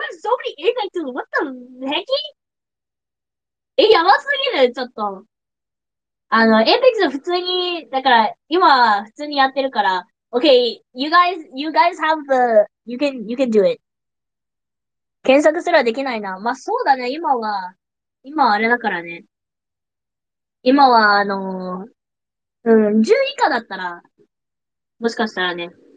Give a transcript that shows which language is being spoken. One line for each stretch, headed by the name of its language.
English: You have so many Apex, what the heck?
Japanese: え、やばすぎる、ちょっと。エイペックス普通に、だから、今は普通にやってるから。
English: Okay, you guys have the, you can do it.
Japanese: 検索すらできないな。まあ、そうだね、今はあれだからね。今は、10以下だったら、もしかしたらね。